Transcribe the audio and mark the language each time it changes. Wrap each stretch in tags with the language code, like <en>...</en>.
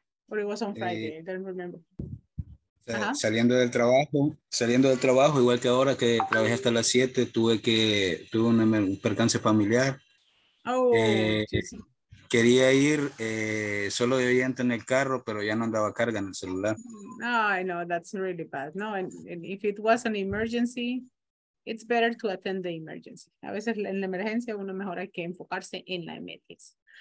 <en>Or it was on Friday, I don't remember.</en> <es>Saliendo del trabajo, igual que ahora que trabajé hasta las 7, tuve un percance familiar. Oh, quería ir solo de oyente en el carro, pero ya no andaba carga en el celular.</es> <en>No, I know, that's really bad. No, and if it was an emergency, it's better to attend the emergency.</en> <es>A veces en la emergencia uno mejor hay que enfocarse en la emergencia.</es>